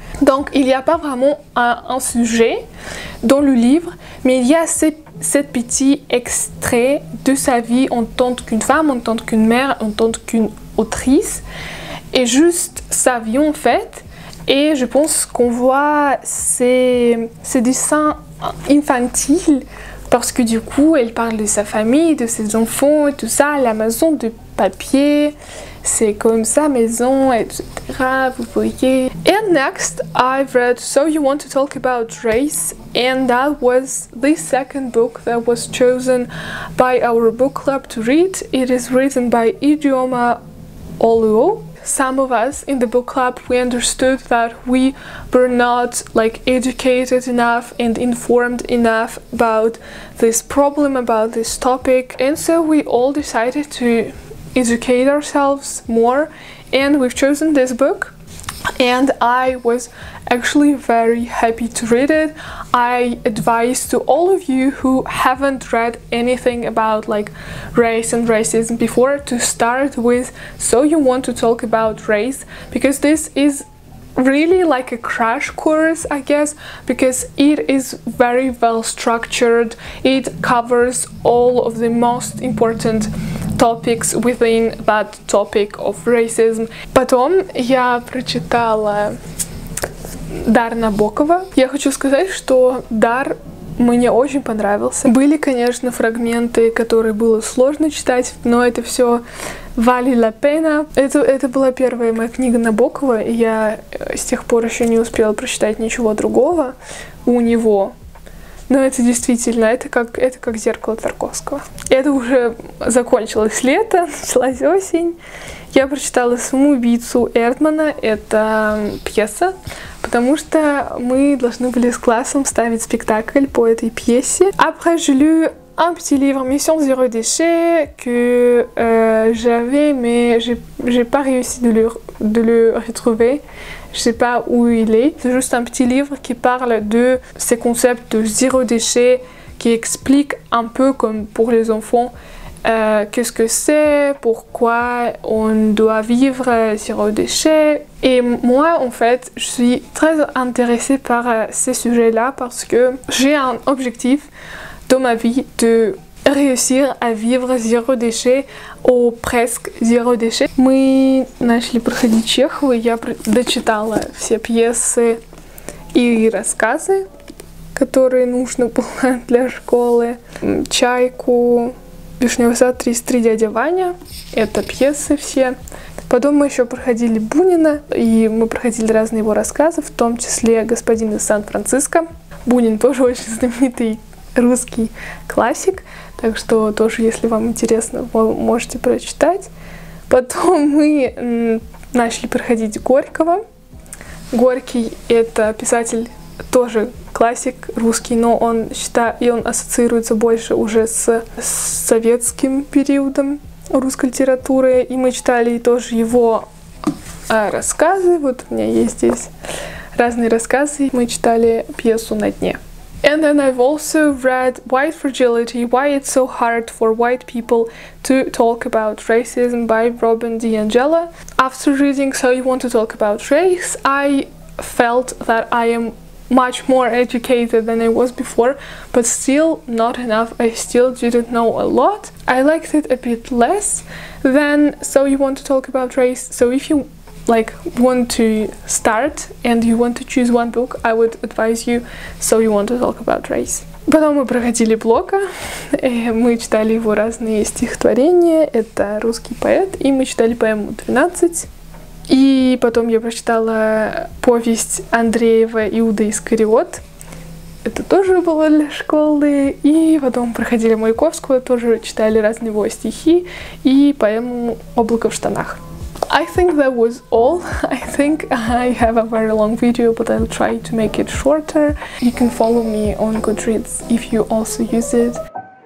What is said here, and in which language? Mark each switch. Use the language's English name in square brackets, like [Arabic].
[French] Donc il n'y a pas vraiment un sujet dans le livre, mais il y a cette petit extrait de sa vie en tant qu'une femme, en tant qu'une mère, en tant qu'une autrice, et juste sa vie en fait. Et je pense qu'on voit ces dessins infantiles parce que du coup, elle parle de sa famille, de ses enfants et tout ça, la maison de papier, c'est comme sa maison, etc. Vous voyez. [English] And next, I've read So You Want to Talk About Race, and that was the second book that was chosen by our book club to read. It is written by Idioma Oluo. Some of us in the book club, we understood that we were not like educated enough and informed enough about this problem, about this topic. And so we all decided to educate ourselves more, and we've chosen this book. And I was actually very happy to read it. I advise to all of you who haven't read anything about like race and racism before to start with So You Want to Talk About Race, because this is really like a crash course, I guess, because it is very well structured. It covers all of the most important topics within that topic of racism. [Russian] Потом я прочитала Дар Набокова. Я хочу сказать, что Дар мне очень понравился. Были, конечно, фрагменты, которые было сложно читать, но это все [Italian] вали ла пена. [Russian] Это была первая моя книга Набокова, и я с тех пор еще не успела прочитать ничего другого у него. Но это действительно, это как зеркало Тарковского. Это уже закончилось лето, началась осень. Я прочитала «Самоубийцу» Эрдмана, это пьеса, потому что мы должны были с классом ставить спектакль по этой пьесе. [French] Après, j'ai lu un petit livre, «Mission zéro déchet», que j'avais, mais j'ai pas réussi de le retrouver. Je sais pas où il est. C'est juste un petit livre qui parle de ces concepts de zéro déchet, qui explique un peu, comme pour les enfants, qu'est-ce que c'est, pourquoi on doit vivre zéro déchet. Et moi, en fait, je suis très intéressée par ces sujets-là parce que j'ai un objectif dans ma vie de réussir à vivre zéro déchet ou presque zéro déchet. [Russian] Мы начали проходить Чехову, я дочитала все пьесы и рассказы, которые нужно было для школы. «Чайку», «Вишневый сад», «33 дядя Ваня». Это пьесы все. Потом мы еще проходили Бунина, и мы проходили разные его рассказы, в том числе «Господин из Сан-Франциско». Бунин тоже очень знаменитый русский классик. Так что тоже, если вам интересно, вы можете прочитать. Потом мы начали проходить Горького. Горький — это писатель, тоже классик русский, но он считает, и он ассоциируется больше уже с советским периодом русской литературы. И мы читали тоже его рассказы. Вот у меня есть здесь разные рассказы. Мы читали пьесу «На дне». [English] And then I've also read White Fragility, Why It's So Hard for White People to Talk About Racism by Robin DiAngelo. After reading So You Want to Talk About Race, I felt that I am much more educated than I was before, but still not enough. I still didn't know a lot. I liked it a bit less than So You Want to Talk About Race. So if you like want to start and you want to choose one book, I would advise you So You Want to Talk About Race. [Russian] Потом мы проходили Блока, мы читали его разные стихотворения, это русский поэт, и мы читали поэму 12. И потом я прочитала повесть Андреева «Иуда Искариот». Это тоже было для школы. И потом проходили Маяковского, тоже читали разные его стихи и поэму «Облако в штанах». [English] I think that was all. I think I have a very long video, but I'll try to make it shorter. You can follow me on Goodreads if you also use it.